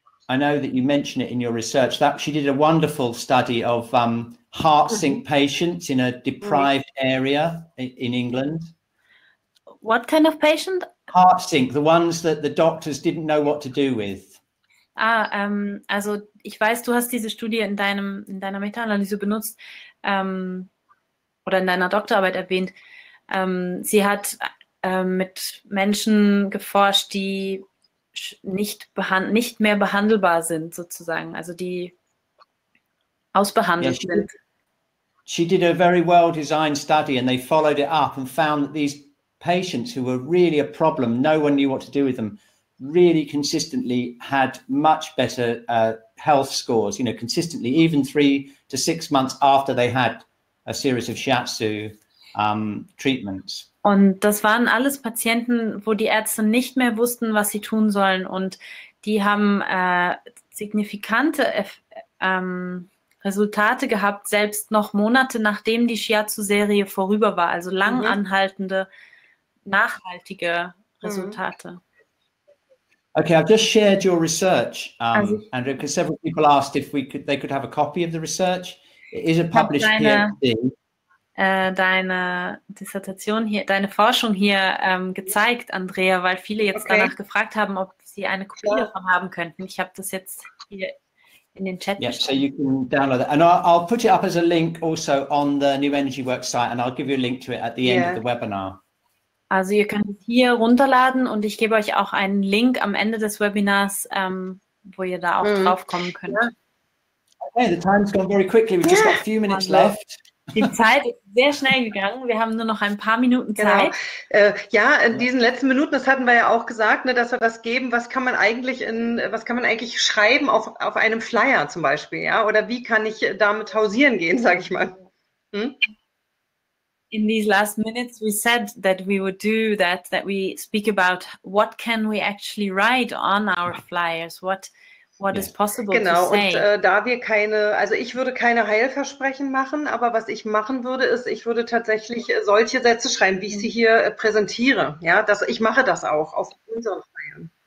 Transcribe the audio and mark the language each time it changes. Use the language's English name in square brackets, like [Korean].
[English] I know that you mention it in your research that she did a wonderful study of heart sink patients in a deprived area in England. What kind of patient? Heart sink, the ones that the doctors didn't know what to do with. [German] Also ich weiß, du hast diese Studie in deiner Meta-Analyse benutzt. oder in deiner Doktorarbeit erwähnt. Sie hat mit Menschen geforscht, die nicht mehr behandelbar sind, sozusagen, also die ausbehandelt sind. [English] She did a very well designed study and they followed it up and found that these patients who were really a problem, no one knew what to do with them, really consistently had much better health scores, you know, consistently, even 3 to 6 months after they had a series of shiatsu treatments. [German] Und das waren alles Patienten, wo die Ärzte nicht mehr wussten, was sie tun sollen. Und die haben signifikante Resultate gehabt, selbst noch Monate, nachdem die Shiatsu-Serie vorüber war. Also lang anhaltende, nachhaltige Resultate. [English] Okay, I've just shared your research, Andrea, because several people asked if we could, they could have a copy of the research. It is a published PhD. [German] Deine Dissertation hier, deine Forschung hier gezeigt, Andrea, weil viele jetzt danach gefragt haben, ob sie eine Kopie davon haben könnten. Ich habe das jetzt hier in den Chat gestellt. [English] So you can download that. And I'll put it up as a link also on the New Energy Works site and I'll give you a link to it at the end of the webinar. [German] Also ihr könnt es hier runterladen und ich gebe euch auch einen Link am Ende des Webinars, wo ihr da auch drauf kommen könnt. [English] Okay, the time's gone very quickly. We've just got a few minutes left. [German] Die Zeit ist sehr schnell gegangen. Wir haben nur noch ein paar Minuten Zeit. Genau. Ja, in diesen letzten Minuten, das hatten wir ja auch gesagt, ne, dass wir was geben. Was kann man eigentlich schreiben auf einem Flyer zum Beispiel, ja? Oder wie kann ich damit hausieren gehen, sage ich mal? [English] In these last minutes, we said that we would do that. That we speak about what can we actually write on our flyers. What is possible [German] genau, [English] to say. [German] Genau, und da wir keine, also ich würde keine Heilversprechen machen, aber was ich machen würde, ist, ich würde tatsächlich solche Sätze schreiben, wie ich sie hier präsentiere. Ja, das, ich mache das auch auf unseren Flyern.